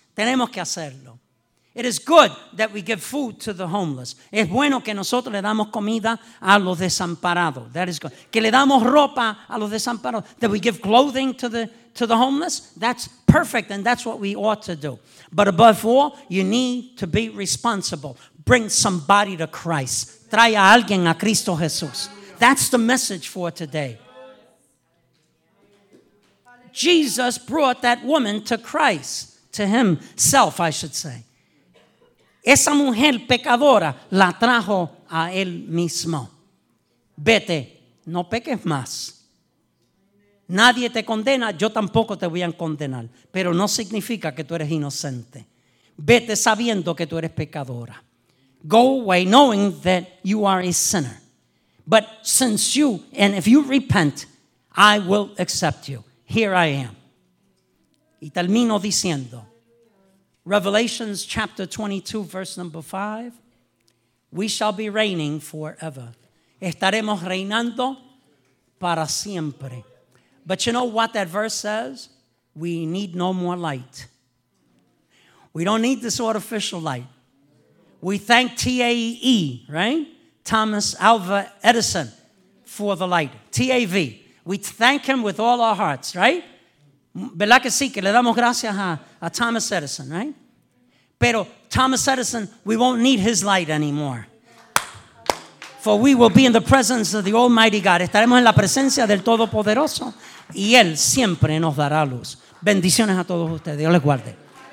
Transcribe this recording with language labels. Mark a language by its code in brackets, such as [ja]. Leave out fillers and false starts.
[es] Tenemos que hacerlo. [en] It is good that we give food to the homeless. [es] Es bueno que nosotros le damos comida a los desamparados. [en] That is good. [es] Que le damos ropa a los desamparados. [en] That we give clothing to the homeless. That's perfect, and that's what we ought to do. But above all, you need to be responsible. Bring somebody to Christ. [es] Trae a alguien a Cristo Jesús. [en] That's the message for today. Jesus brought that woman to Christ, to himself, I should say. [es] Esa mujer pecadora la trajo a él mismo. Vete, no peques más. Nadie te condena, yo tampoco te voy a condenar. Pero no significa que tú eres inocente. Vete sabiendo que tú eres pecadora. [en] Go away knowing that you are a sinner. But since you, and if you repent, I will accept you. Here I am. [es] Y termino diciendo, [en] Revelations chapter 22, verse number 5, we shall be reigning forever. [es] Estaremos reinando para siempre. [en] But you know what that verse says? We need no more light. We don't need this artificial light. We thank TAE, right? Thomas Alva Edison, for the light. TAV. We thank him with all our hearts, right? [es] ¿Verdad que sí? Que le damos gracias a Thomas Edison, [en] right? Pero Thomas Edison, we won't need his light anymore. For we will be in the presence of the Almighty God. [es] Estaremos en la presencia del Todopoderoso. Y Él siempre nos dará luz. Bendiciones a todos ustedes. Dios les guarde.